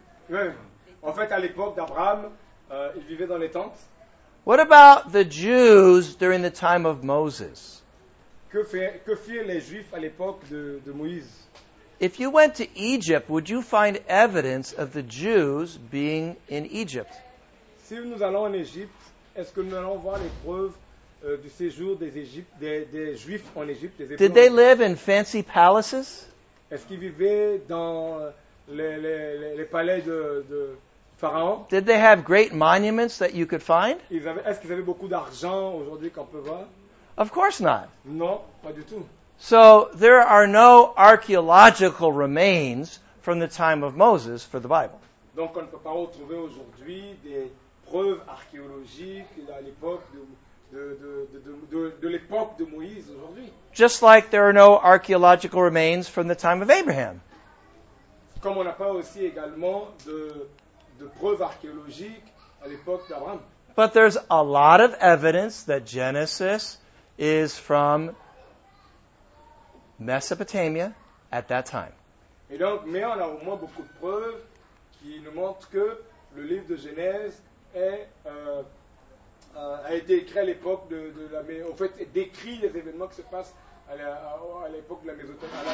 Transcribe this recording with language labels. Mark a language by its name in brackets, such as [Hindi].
[French] En fait, à l'époque d'Abraham, il vivait dans les tentes. [English] What about the Jews during the time of Moses? [French] Que firent les Juifs à l'époque de Moïse? [English] If you went to Egypt, would you find evidence of the Jews being in Egypt? [French] Si nous allons en Égypte, est-ce que nous allons voir les preuves du séjour des Juifs en Égypte? [English] Did they live in fancy palaces? [French] Est-ce qu'ils vivaient dans les palais de Pharaon? [English] Did they have great monuments that you could find? [French] Est-ce qu'ils avaient beaucoup d'argent aujourd'hui qu'on peut voir? [English] Of course not. [French] Non, pas du tout. [English] So there are no archaeological remains from the time of Moses for the Bible. [French] Donc on ne peut pas retrouver aujourd'hui des preuves archéologiques à l'époque de l'époque de Moïse aujourd'hui. [English] Just like there are no archaeological remains from the time of Abraham. [French] Comme on n'a pas aussi également de preuves archéologiques à l'époque d'Abraham. [English] But there's a lot of evidence that Genesis is from Mesopotamia at that time. [French] Et donc, mais on a au moins beaucoup de preuves qui nous montrent que le livre de Genèse a été écrit à l'époque décrit les événements qui se passent à l'époque de la Mésopotamie.